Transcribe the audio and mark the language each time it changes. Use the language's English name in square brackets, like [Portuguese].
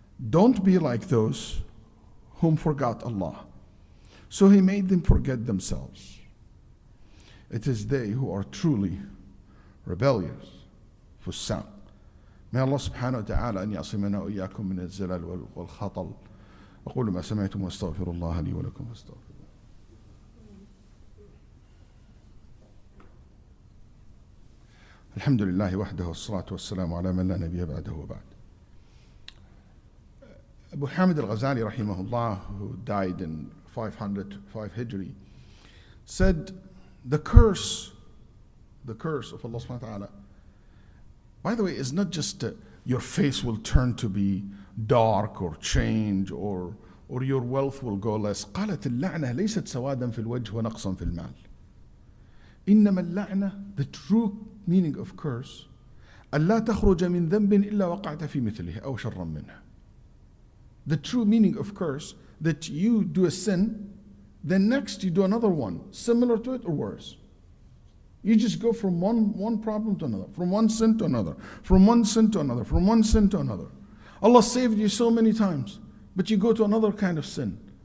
[English] Don't be like those whom forgot Allah. So He made them forget themselves. It is they who are truly rebellious. [Arabic] فُسَّان. May Allah subhanahu wa ta'ala أن يعصمنا وإياكم من الزلل والخطل. أقول ما سمعتم واستغفر الله لي ولكم واستغفر. الحمد لله وحده والصلاة والسلام على من لا نبي بعده وبعد. [English] أبو حامد الغزالي رحمه الله, who died in 505 Hijri, said, the curse of Allah subhanahu wa ta'ala, by the way, is not just your face will turn to be dark or change or your wealth will go less. [Arabic] قالت اللعنة ليست سوادا في الوجه ونقصا في المال. إنما اللعنة, [English] the true meaning of curse, [Arabic] أَلَّا تَخْرُجَ مِنْ ذَنْبٍ إِلَّا وَقَعْتَ فِي مِثْلِهِ أَوْ شَرًّا مِنْهَ. [English] The true meaning of curse, that you do a sin, then next you do another one, similar to it or worse. You just go from one problem to another, from one sin to another, from one sin to another, from one sin to another. Allah saved you so many times, but you go to another kind of sin.